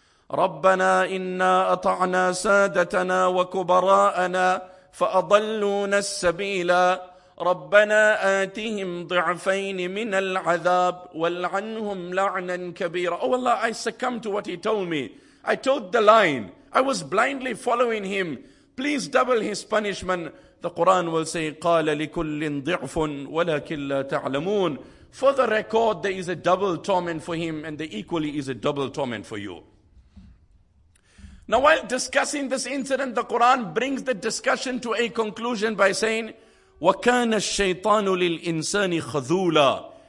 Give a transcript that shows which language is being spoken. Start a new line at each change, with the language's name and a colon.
Arabic: رَبَّنَا إِنَّا أَطَعْنَا سَادَتَنَا وَكُبَرَاءَنَا فَأَضَلُّونَ السَّبِيلَ رَبَّنَا آتِهِمْ ضِعْفَيْنِ مِنَ الْعَذَابِ وَالْعَنْهُمْ لَعْنًا كَبِيرًا.
English: Oh Allah, I succumbed to what he told me. I towed the line. I was blindly following him. Please double his punishment. The Quran will say,
Arabic: قَالَ لِكُلٍّ ضِعْفٌ وَلَكِنْ لَا تَعْلَمُونَ.
English: For the record, there is a double torment for him, and there equally is a double torment for you. Now, while discussing this incident, the Quran brings the discussion to a conclusion by saying,
Arabic: وَكَانَ الشَّيْطَانُ لِلْإِنسَانِ خَذُولًا.